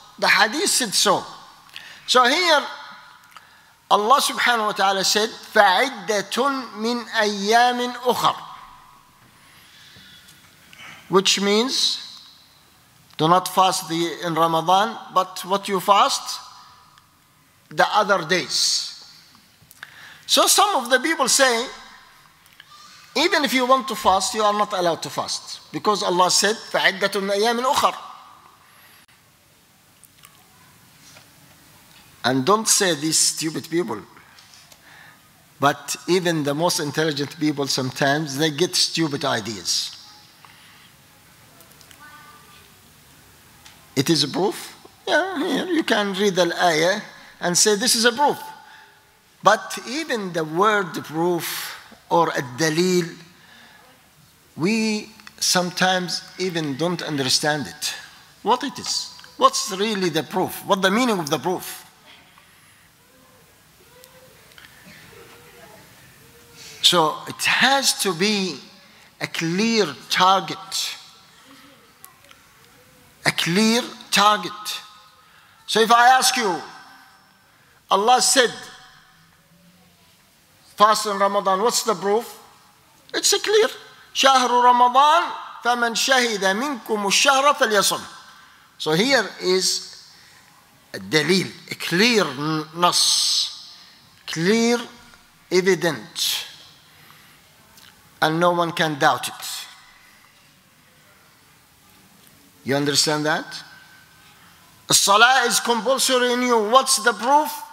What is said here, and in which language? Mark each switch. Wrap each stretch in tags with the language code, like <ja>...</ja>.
<en>The hadith said so. So here, Allah subhanahu wa ta'ala said,</en> <ar>فَعِدَّةٌ مِنْ أَيَّامٍ أُخَرٍ,</ar> <en>which means, do not fast in Ramadan, but what you fast? The other days. So some of the people say, even if you want to fast, you are not allowed to fast. Because Allah said,</en> <ar>فَعِدَّةٌ مِنْ أَيَّامٍ أُخَرٍ.</ar> <en>And don't say these stupid people. But even the most intelligent people sometimes, they get stupid ideas. It is a proof. Yeah, here you can read the ayah and say this is a proof. But even the word proof or ad-dalil, we sometimes even don't understand it. What it is? What's really the proof? What the meaning of the proof? So it has to be a clear target. A clear target. So if I ask you, Allah said, fast in Ramadan, what's the proof? It's clear.</en> <ar>شهر رمضان فمن شهد منكم الشهر فليصم.</ar> <en>So here is a دليل, a clear نص, clear evident. And no one can doubt it. You understand that? As-salah is compulsory in you. What's the proof?</en>